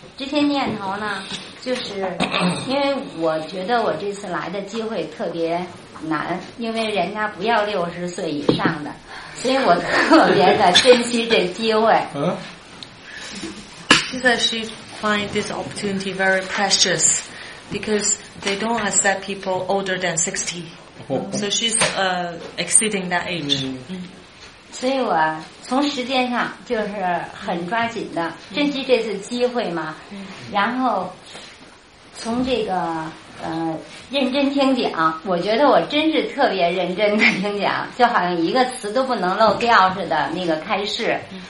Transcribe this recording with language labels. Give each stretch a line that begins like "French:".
Chinese: 这些念头呢，就是因为我觉得我这次来的机会特别难，因为人家不要60岁以上的，所以我特别的珍惜这机会。
English: She said she find this opportunity very precious because they don't accept people older than 60. So she's exceeding that age.
Chinese: 所以我从时间上就是很抓紧的珍惜这次机会嘛，然后从这个认真听讲，我觉得我真是特别认真的听讲，就好像一个词都不能漏掉似的那个开示。